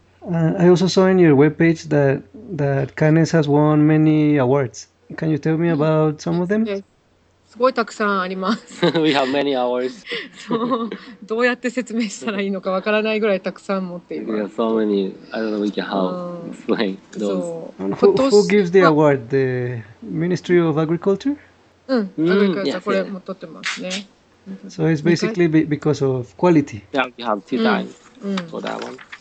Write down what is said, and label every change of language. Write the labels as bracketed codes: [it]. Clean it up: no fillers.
[en] I also saw in your webpage that Kanes has won many awards. Can you tell me about some of them? [ja] すごいたくさんあります。 [en] We have many awards. [ja] どうやって説明したらいいのかわからないぐらいたくさん持っています。 [en] Yeah, so many. I don't know we can how explain those. Who gives the award? The Ministry of Agriculture? [ja] うん、アグリカルチャーこれも取ってますね。 [en] So it's basically because of quality. Yeah, we have two times for that one.